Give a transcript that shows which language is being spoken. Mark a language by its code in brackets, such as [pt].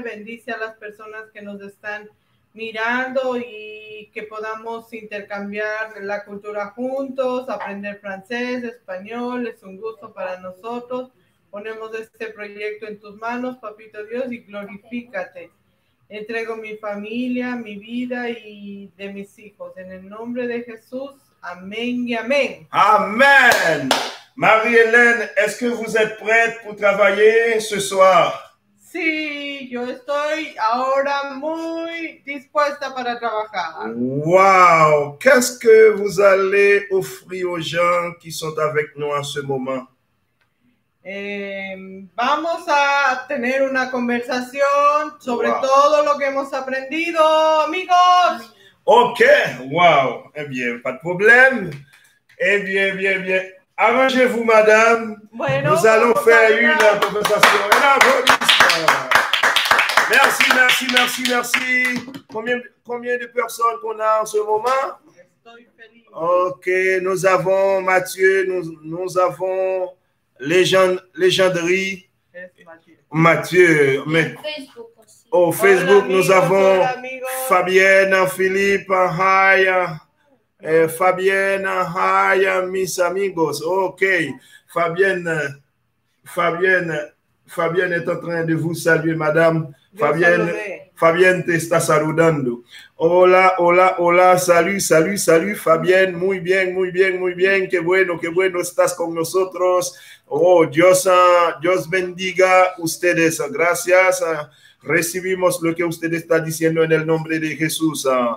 [es] Bendice a las personas que nos están mirando y que podamos intercambiar la cultura juntos, aprender francés, español. Es un gusto para nosotros. Ponemos este proyecto en tus manos, Papito Dios, y glorifícate. Entrego mi familia, mi vida y de mis hijos. En el nombre de Jesús. Amen, amen. Amen. [fr] Marie-Hélène, est-ce que vous êtes prête pour travailler ce soir? [es] Sí, yo estoy ahora muy dispuesta para trabajar. Wow! [fr] Qu'est-ce que vous allez offrir aux gens qui sont avec nous en ce moment? [es] Vamos a tener una conversación sobre wow. todo lo que hemos aprendido, amigos. [fr] Ok, wow, eh bien, pas de problème. Eh bien. Arrangez-vous, madame. [es] Bueno, [fr] nous allons faire une conversation. Merci. Combien de personnes qu'on a en ce moment? Ok, nous avons Mathieu, nous avons Légenderie. Mathieu, mais... Au Facebook, [es] hola, [fr] nous avons hola, Fabienne, Philippe, hi, Fabienne, hi, [es] mis amigos. [fr] Ok, Fabienne est en train de vous saluer, madame. [es] Fabienne te está saludando. Hola, salut, Fabienne, muy bien, qué bueno, estás con nosotros. Oh, Dios bendiga ustedes, gracias. Recibimos lo que usted está diciendo en el nombre de Jesús.